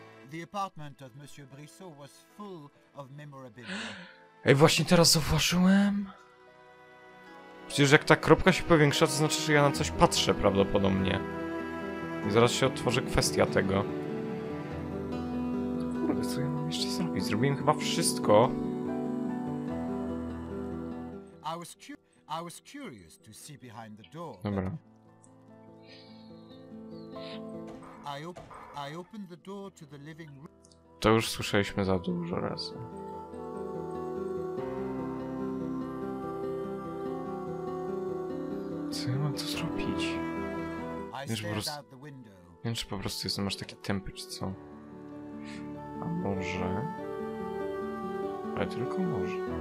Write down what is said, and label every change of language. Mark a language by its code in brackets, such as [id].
[en] The apartment of Monsieur Brissot was full of memorabilia. [pl] Ej, właśnie teraz zauważyłem? Przecież jak ta kropka się powiększa, to znaczy, że ja na coś patrzę prawdopodobnie. I zaraz się otworzy kwestia tego. Kurde, co ja mam jeszcze zrobić? Zrobiłem chyba wszystko. [en] I was curious to see behind the door. [pl] Dobra. [en] I opened the door to the living room. [pl] To już słyszeliśmy za dużo razy. Co ja mam tu zrobić? Nie wiem, czy po prostu jestem aż taki tępy, czy co? A może? Ale tylko może.